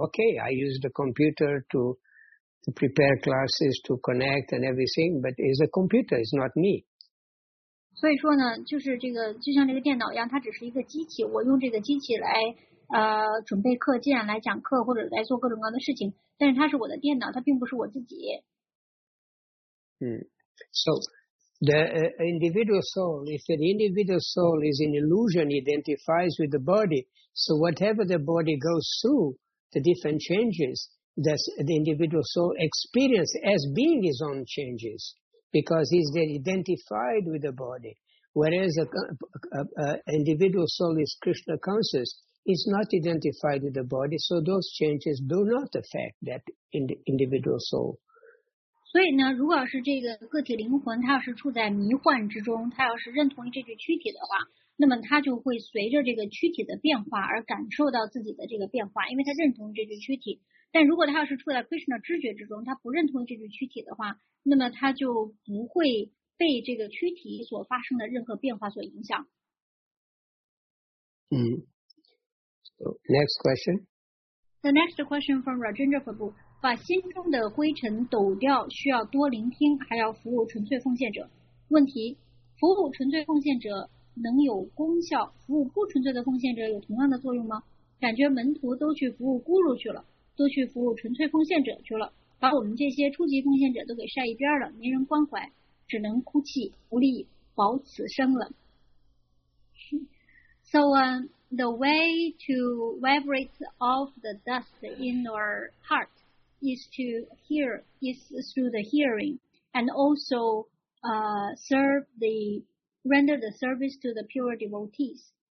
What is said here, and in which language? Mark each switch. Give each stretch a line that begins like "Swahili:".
English: Okay, I use the computer to prepare classes, to connect and everything, but it's a computer, it's not me.
Chinese: 所以说呢，就是这个就像这个电脑一样，它只是一个机器，我用这个机器来。准备课件来讲课或者来做各种各样的事情，但是它是我的电脑，它并不是我自己。
English: So the individual soul, if an individual soul is an illusion, identifies with the body, so whatever the body goes through, the different changes, that the individual soul experience as being his own changes, because he's then identified with the body. Whereas an individual soul is Krishna conscious, is not identified with the body, so those changes do not affect that individual soul.
Chinese: 所以呢，如果要是这个个体灵魂，它要是处在迷幻之中，它要是认同于这个躯体的话，那么它就会随着这个躯体的变化而感受到自己的这个变化，因为它认同于这具躯体。但如果它要是处在 Krishna 知觉之中，它不认同于这具躯体的话，那么它就不会被这个躯体所发生的任何变化所影响。
English: Next question. The next question from Rajendra Prabhu.
Chinese: 把心中的灰尘抖掉需要多聆听还要服务纯粹奉献者。问题，服务纯粹奉献者能有功效，服务不纯粹的奉献者有同样的作用吗？感觉门徒都去服务咕噜去了，都去服务纯粹奉献者去了，把我们这些初级奉献者都给晒一边了，没人关怀，只能哭泣无力保此生了。
English: So, the way to vibrate off the dust in your heartis through the hearing, and also render the service to the pure devotees.